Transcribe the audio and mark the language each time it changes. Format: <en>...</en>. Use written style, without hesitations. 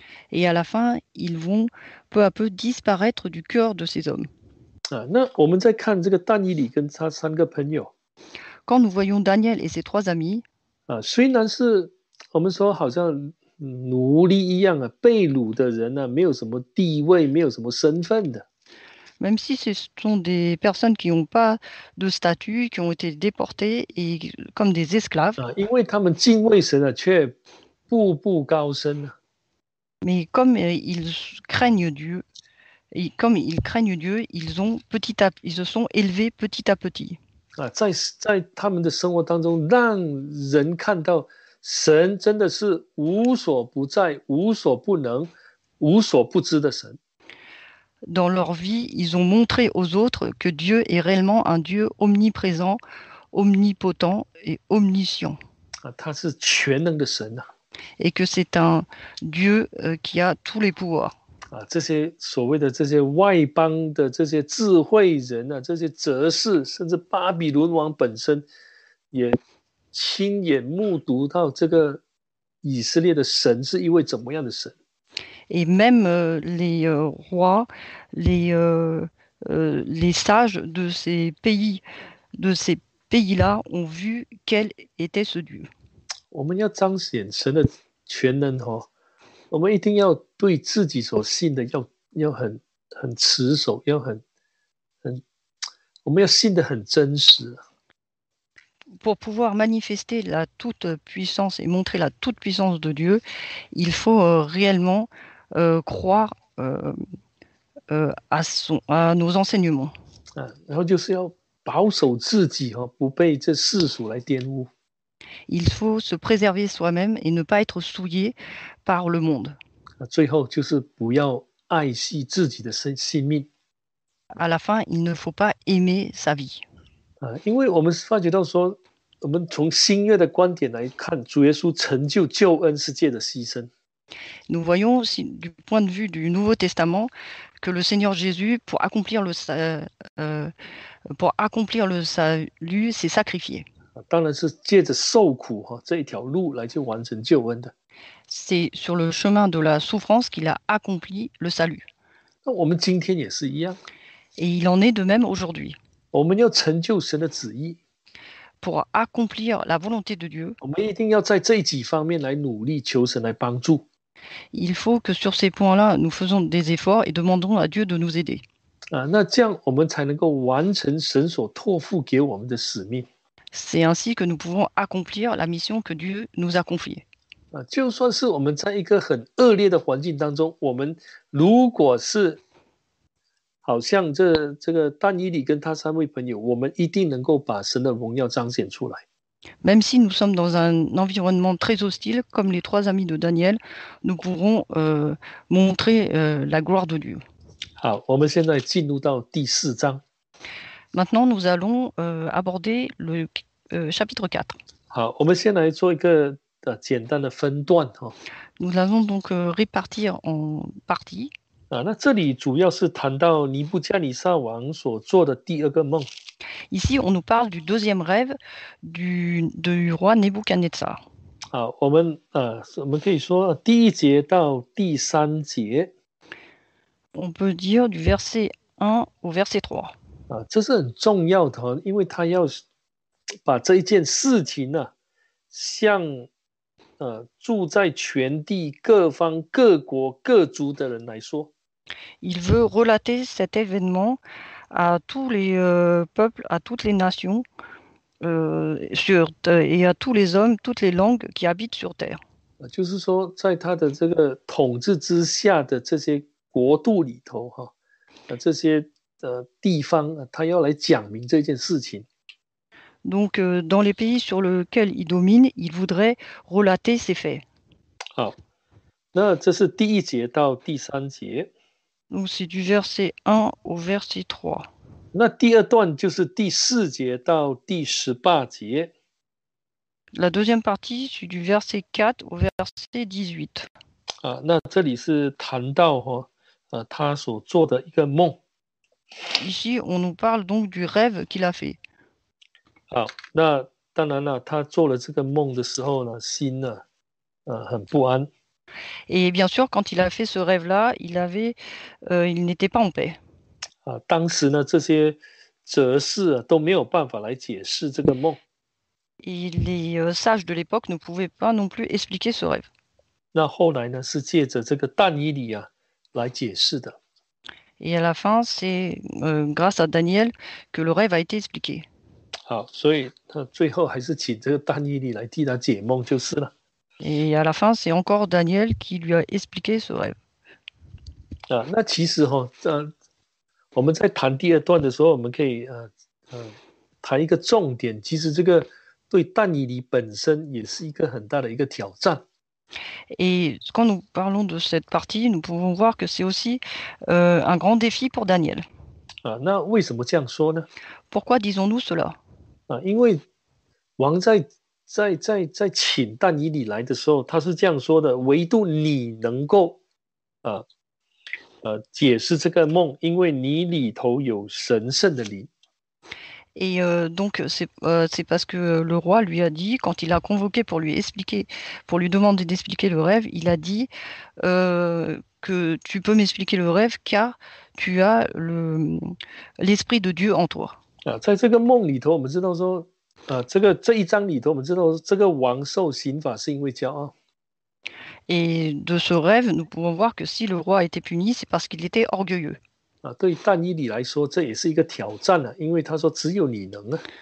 <fr>Et à la fin, ils vont peu à peu disparaître du cœur de ces hommes.</fr> <zh>那我们再看这个但以理跟他三个朋友。</zh> <fr>Quand nous voyons Daniel et ses trois amis,</fr> <zh>虽然是我们说好像奴隶一样啊，被掳的人呢、啊，没有什么地位，没有什么身份的。</zh> <fr>même si ce sont des personnes qui n'ont pas de statut, qui ont été déportées et comme des esclaves,</fr> <zh>因为他们敬畏神啊，却步步高升啊。</zh> <fr>mais comme ils craignent Dieu, et comme ils craignent Dieu, ils se sont élevés petit à petit.</fr> <zh>在他们的生活当中，让人看到神真的是无所不在、无所不能、无所不知的神。</zh> <fr>Dans leur vie, ils ont montré aux autres que Dieu est réellement un Dieu omniprésent, omnipotent et omniscient.</fr> <zh>他是全能的神</zh> <fr>Et que c'est un Dieu qui a tous les pouvoirs.</fr> <zh>这些所谓的这些外邦的这些智慧人啊，这些哲士，甚至巴比伦王本身，也亲眼目睹到这个以色列的神是一位怎么样的神。</zh> <fr>Et même les rois, les sages de ces pays-là ont vu quel était ce Dieu.</fr> <zh>我们要彰显神的全能哦，我们一定要对自己所信的要很持守，要很，我们要信得很真实。</zh> <fr>Pour pouvoir manifester la toute-puissance et montrer la toute-puissance de Dieu, il faut réellement croire à nos enseignements.</fr> <zh>然后就是要保守自己哦，不被这世俗来玷污。</zh> <fr>Il faut se préserver soi-même et ne pas être souillé par le monde.</fr> <zh>最后就是不要爱惜自己的生命。</zh> <fr>À la fin, il ne faut pas aimer sa vie.</fr> <zh>因为我们发觉到说，我们从新约的观点来看，主耶稣成就救恩是借着牺牲。</zh> <fr>Nous voyons du point de vue du Nouveau Testament que le Seigneur Jésus, pour accomplir le salut, s'est sacrifié.</fr> <zh>当然是借着受苦这一条路来去完成救恩的。</zh> <fr>C'est sur le chemin de la souffrance qu'il a accompli le salut.</fr> <zh>那我们今天也是一样，</zh> <fr>Et il en est de même aujourd'hui.</fr> <zh>我们要成就神的旨意，</zh> <fr>Pour accomplir la volonté de Dieu,</fr> <zh>我们一定要在这几方面来努力，求神来帮助。</zh> <fr>Il faut que sur ces points-là, nous faisons des efforts et demandons à Dieu de nous aider.</fr> <zh>那这样我们才能够完成神所托付给我们的使命。</zh> <fr>C'est ainsi que nous pouvons accomplir la mission que Dieu nous a confiée.</fr> <zh>就算是我们在一个很恶劣的环境当中，我们如果是好像这个但以理跟他三位朋友，我们一定能够把神的荣耀彰显出来。</zh> <fr>Même si nous sommes dans un environnement très hostile, comme les trois amis de Daniel, nous pourrons montrer la gloire de Dieu.</fr> <zh>好，我们现在进入到第四章。</zh> <fr>Maintenant, nous allons aborder le chapitre 4.</fr> <zh>好，我们先来做一个简单的分段</zh> <fr>Nous allons donc répartir en parties.</fr> <zh>那这里主要是谈到尼布加尼撒王所做的第二个梦。</zh> <fr>Ici, on nous parle du deuxième rêve du roi Nebuchadnezzar.</fr> <zh>好，我们可以说第一节到第三节。</zh> <fr>On peut dire du verset 1 au verset 3.</fr> <zh>这是很重要的，因为他要把这一件事情呢，向住在全地各方各国各族的人来说。</zh> <fr>Il veut relater cet événement à tous les peuples, à toutes les nations et à tous les hommes, toutes les langues qui habitent sur terre.</fr> <zh>就是说，在他的这个统治之下的这些国度里头，这些地方，他要来讲明这件事情。</zh> <fr>Donc, dans les pays sur lesquels il domine, il voudrait relater ces faits.</fr> <zh>好，那这是第一节到第三节。</zh> <fr>Donc, c'est du verset 1 au verset 3.</fr> <zh>那第二段就是第四节到第18节。</zh> <fr>La deuxième partie, c'est du verset 4 au verset 18.</fr> <zh>那这里是谈到他所做的一个梦。</zh> <fr>Ici, on nous parle donc du rêve qu'il a fait.</fr> <zh>好，那当然了，他做了这个梦的时候呢，心呢，很不安。</zh> <fr>Et bien sûr, quand il a fait ce rêve-là, il n'était pas en paix.</fr> <zh>当时呢，这些哲士都没有办法来解释这个梦。</zh> <fr>Et les sages de l'époque ne pouvaient pas non plus expliquer ce rêve.</fr> <zh>那后来呢，是借着这个但以理啊来解释的。</zh> <fr>Et à la fin, c'est grâce à Daniel que le rêve a été expliqué.</fr> <zh>好，所以他最后还是请这个但以理来替他解梦就是了。</zh> <fr>Et à la fin, c'est encore Daniel qui lui a expliqué ce rêve.</fr> <zh>啊，那其实哈、哦，我们在谈第二段的时候，我们可以谈一个重点，其实这个。对但以理本身也是一个很大的一个挑战。</zh> <fr>Et quand nous parlons de cette partie, nous pouvons voir que c'est aussi un grand défi pour Daniel.</fr> <zh>啊，那为什么这样说呢</zh> <fr>？Pourquoi disons-nous cela？</fr> <zh>啊，因为王在请但以理来的时候，他是这样说的：唯独你能够解释这个梦，因为你里头有神圣的灵。</zh> <fr>Et donc, c'est parce que le roi lui a dit, quand il a convoqué pour lui expliquer, pour lui demander d'expliquer le rêve, il a dit que tu peux m'expliquer le rêve car tu as l'esprit de Dieu en toi.</fr> <zh>啊，在这个梦里头，我们知道说，这一章里头，我们知道这个王受刑罚是因为骄傲。</zh> <fr>Et de ce rêve, nous pouvons voir que si le roi a été puni, c'est parce qu'il était orgueilleux.</fr> <zh>啊、对但以理来说，这也是一个挑战了、啊，因为他说只有你能啊。</zh>